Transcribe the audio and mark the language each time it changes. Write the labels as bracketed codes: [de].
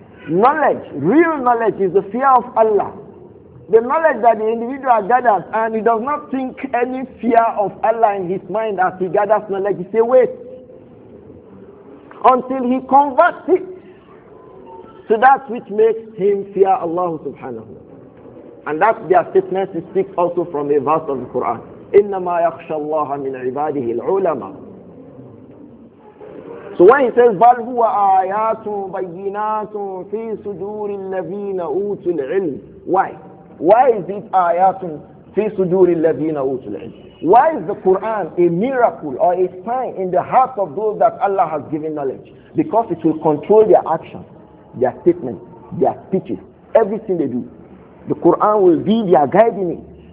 [en] Knowledge, real knowledge is the fear of Allah. The knowledge that the individual gathers and he does not think any fear of Allah in his mind as he gathers knowledge, he says, wait. Until he converts it to that which makes him fear Allah subhanahu. And that's their statement, it speaks also from a verse of the Quran. [ar] إِنَّمَا يَخْشَى اللَّهَ مِنْ عِبَادِهِ الْعُلَمَى. [en] So when he says, [ar] بَلْ هُوَ آيَاتٌ بَيِّنَاتٌ فِي صُدُورِ الَّذِينَ أُوتُوا الْعِلْمِ. [en] Why? Why is it [ar] ayatun fi suduri alladhina utul ilm? [en] Why is the Quran a miracle or a sign in the heart of those that Allah has given knowledge? Because it will control their actions, their statements, their speeches, everything they do. the Quran will be their guiding it.